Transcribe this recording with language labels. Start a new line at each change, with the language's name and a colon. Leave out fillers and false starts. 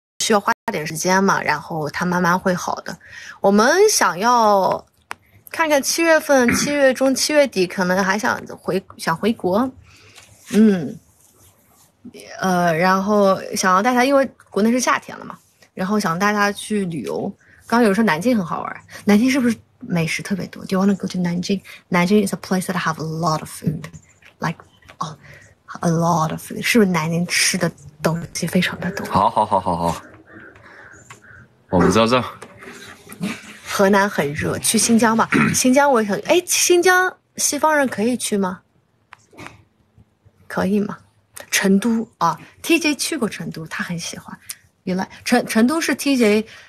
Chinese: 需要花点时间嘛，然后它慢慢会好的。我们想要看看七月份、七月中、七月底，可能还想回国，然后想要带他，因为国内是夏天了嘛，然后想带他去旅游。刚有人说南京很好玩，南京是不是美食特别多 ？
English: Do you want to go to
Chinese: 南京？
English: 南京 is a place that have a lot of food, like a lot of food。
Chinese: 是不是南京吃的东西非常的多？好好好好好，我们照照。河南很热，去新疆吧。新疆我想，哎，新疆西方人可以去吗？可以吗？成都啊 ，TJ 去过成都，他很喜欢。原来成都是 TJ。